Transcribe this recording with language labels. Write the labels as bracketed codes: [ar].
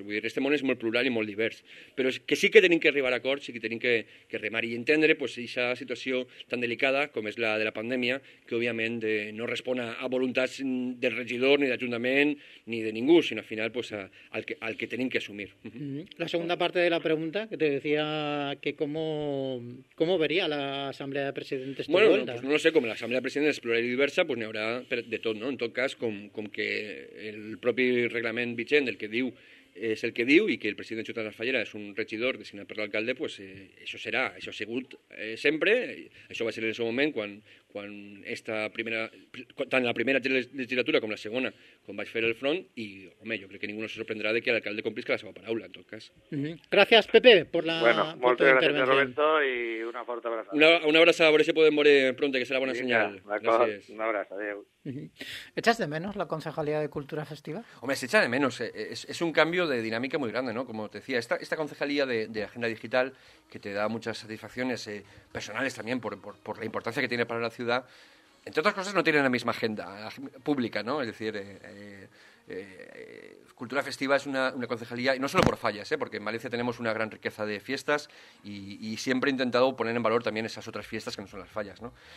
[ca] Vull dir, este món és molt plural i molt divers, però que sí que tenim que arribar a acords, sí que tenim que remar i entendre, pues, aquesta situació tan delicada com és la de la pandèmia, que òbviament no respon a voluntats del regidor, ni d'ajuntament, ni de ningú, sinó al final pues, al que tenim que assumir. [es] La segunda parte de la pregunta, que te decía que cómo vería la Asamblea de Presidentes tu vuelta. Bueno, pues no lo sé, como la Asamblea de Presidentes es plural y diversa, pues [ca] n'hi haurà de tot, ¿no? En tot cas, com que el propi reglament vigent, el que diu és el que diu, i que el president de Junta de la Fallera és un regidor designat per l'alcalde, pues, això serà, això ha sigut sempre, això va ser en el seu moment quan esta primera, tant la primera legislatura com la segona, quan vaig fer el front, i home, jo crec que ningú no se sorprendrà de que l'alcalde complisca la seva paraula, en tot cas. Gràcies, Pepe, per la molta intervenció. Bueno, moltes gràcies, Roberto, i una forta abraçada. Una abraçada, a veure si podem veure pronta, que serà bona senyal. D'acord, una abraçada, adéu. [es] ¿Echas de menos la Concejalía de Cultura Festiva? Hombre, se echa de menos. Es un cambio de dinámica muy grande, ¿no? Como te decía, esta Concejalía de Agenda Digital, que te da muchas satisfacciones personales también por la importancia que tiene para la ciudad, entre otras cosas no tiene la misma agenda pública, ¿no? Es decir, Cultura Festiva es una concejalía, y no solo por fallas, porque en Valencia tenemos una gran riqueza de fiestas y siempre he intentado poner en valor también esas otras fiestas que no son las fallas, ¿no?